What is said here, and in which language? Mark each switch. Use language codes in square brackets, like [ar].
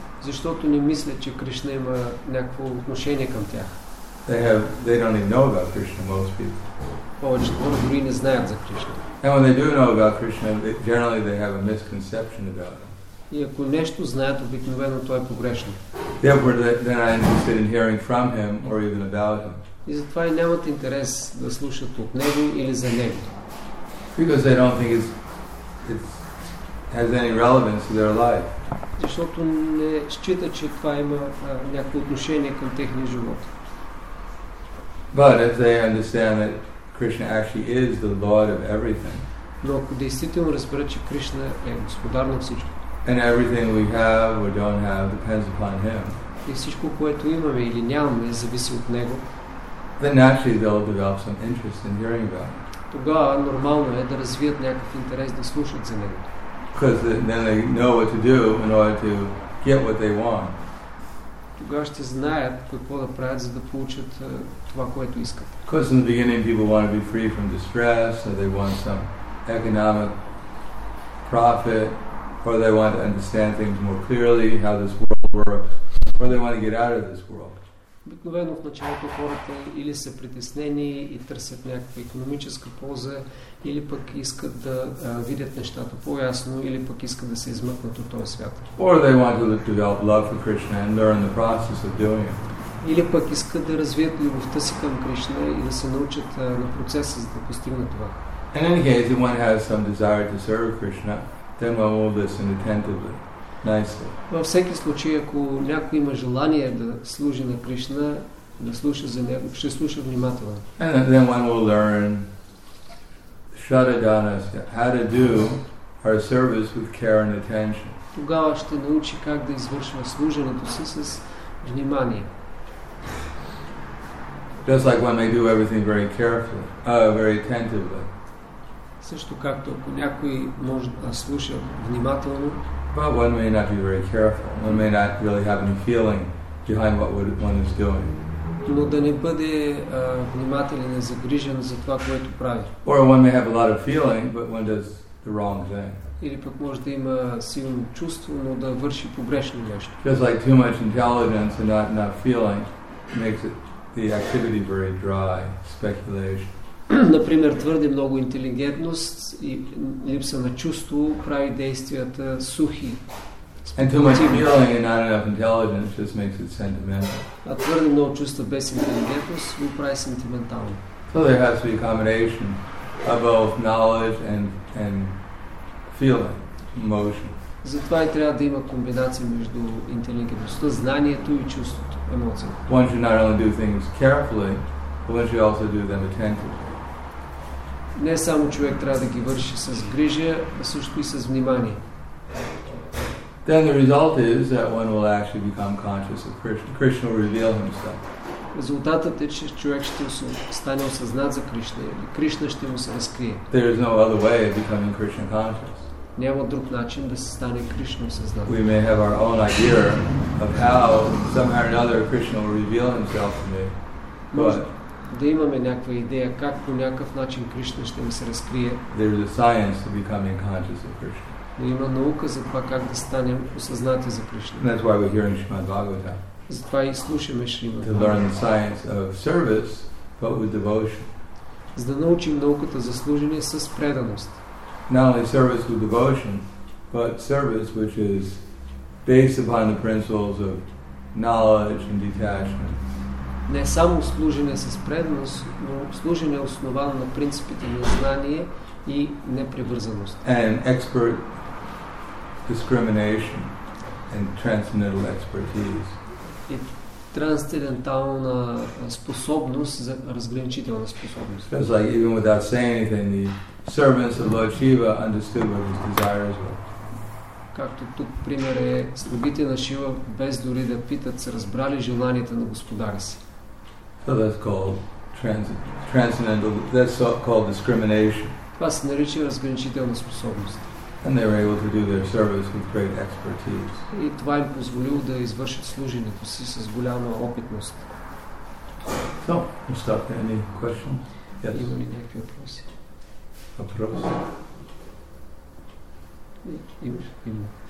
[bg] Защото не мислят, че Кришна има някакво отношение към тях. [en] They don't even know about Krishna, most people. [bg] Повечето хора дори не знаят за Кришна. [en] And when they do know about Krishna, generally they have a misconception about him. [bg] И ако нещо знаят, обикновено то е погрешно. [en] Therefore, they're not interested in hearing from him or even about him. [bg] И затова и нямат интерес да слушат от него или за него. [en] Because they don't think it has any relevance to their life. [bg] Защото не считат, че това има някакво отношение към техния живот. [en] But if they understand that Krishna actually is the Lord of everything, [bg] но ако действително разберат, че Кришна е господар на всичко. [en] And everything we have or don't have depends upon him. [bg] И всичко, което имаме или нямаме, зависи от него. [en] Then naturally they'll develop some interest in hearing about him. [bg] Тогава нормално е да развият някакъв интерес да слушат за него. [en] Because then they know what to do in order to get what they want. [bg] Тогава ще знаят какво да правят, за да получат това, което искат. [en] Because in the beginning people want to be free from distress, or they want some economic profit, or they want to understand things more clearly, how this world works, or they want to get out of this world. [bg] Обикновено в началото хората или са притеснени и търсят някаква икономическа полза, или пък искат да видят нещата по-ясно, или пък искат да се измъкнат от този свят. [en] Or they want to develop love for Krishna and learn the process of doing it. [bg] Или пък искат да развият любовта си към Кришна и да се научат на процеса, за да постигнат това. [en] In any case, if one has some desire to serve Krishna, then one will listen attentively. [bg] Във всеки случай, ако някой има желание да служи на Кришна, да слуша за него, ще слуша внимателно. [en] And then one will learn shradanasya, how to do our service with care and attention. [bg] Тогава ще научи как да извършва служенето си с внимание. [en] Just like one may do everything very carefully, very attentively. [bg] Също както ако някой може да слуша внимателно, [en] but one may not be very careful. One may not really have any feeling behind what one is doing. [bg] Но да не бъде внимателен и загрижен за това, което прави. [en] Or one may have a lot of feeling, but one does the wrong thing. [bg] Или пък може да има силно чувство, но да върши погрешно нещо. [en] Just like too much intelligence and not feeling makes it the activity very dry, speculation. [bg] Например, твърде много интелигентност и липса на чувство прави действията сухи. [en] And too much feeling and not enough intelligence just makes it sentimental. [bg] А твърде много чувства без интелигентност го прави сентиментално. [en] So there has to be a combination of both knowledge and feeling, emotion. [bg] Затова и трябва да има комбинация между интелигентността, знанието и чувството, емоцията. [en] One should not only do things carefully, but one should also do them attentively. [bg] Не само човек трябва да ги върши с грижа, а също и с внимание. [en] Then the result is that one will actually become conscious of Krishna. Krishna will reveal himself. [bg] Резултатът е, че човек ще стане осъзнат за Кришна или Кришна ще му се разкрие. [en] There is no other way of becoming Krishna conscious. [bg] Няма друг начин да се стане Кришна осъзнат. [en] We may have our own idea of how somehow or another Krishna will reveal himself to me. But [bg] да имаме някаква идея как по някакъв начин Кришна ще ми се разкрие. [en] There is a science to becoming conscious of Krishna. [bg] Но има наука за това как да станем осъзнати за Кришна. [en] That's why we're hearing Shrimad Bhagavatam. [bg] Затова и слушаме Шримад. [en] To learn the science of service, but with devotion. [bg] За да научим науката за служение с преданост. [en] Not only service with devotion, but service which is based upon the principles of knowledge and detachment. [bg] Не само служене с преданост, но служене основано на принципите на знание и непривързаност. [en] And expert discrimination and transcendental expertise. [bg] И трансцендентална способност за разграничителна способност. [en] Because like even without saying anything, the servants of Lord Shiva understood what his desires were. [bg] Както тук пример е, слугите на Шива без дори да питат са разбрали желанията на господаря си. [en] So that's called transcendental. That's called discrimination. [bg] Това се нарича разграничителна способност. [en] And they were able to do their service with great expertise. [bg] И това им позволило да извършат служението си с голяма опитност. [en] So, we'll stop there. Any questions? [bg] Yes. Има ли някакви въпроси? Въпроси? Има.